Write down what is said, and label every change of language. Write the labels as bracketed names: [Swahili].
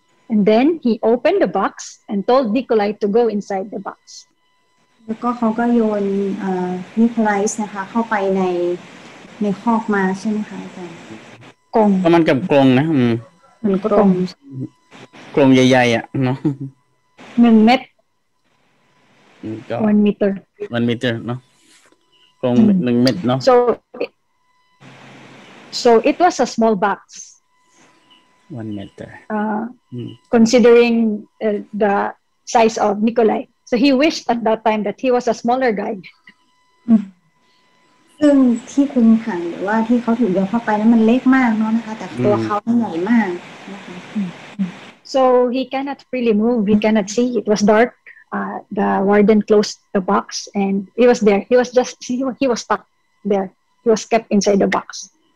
[English] And then he opened the box and told Nikolai to go inside the box. [Thai] แล้วก็เขาก็โยนนิโคไลส์นะคะเข้าไปในคอกมาใช่ไหมคะอาจารย์กรง ประมาณกับกรงนะ มันกรง กรงใหญ่ๆอ่ะเนาะ [English] 1 meter One meter, no? From 1 meter, no? So it was a small box. 1 meter. Considering the size of Nikolai. So he wished at that time that he was a smaller guy. [Thai] ซึ่งที่คุณขังหรือว่าที่เขาถูกยกเข้าไปนั้นมันเล็กมากเนาะนะคะแต่ตัวเขาใหญ่มากนะคะ [English] So he cannot freely move. He cannot see. It was dark. The warden closed the box and he was there. He was stuck there. He was kept inside the box.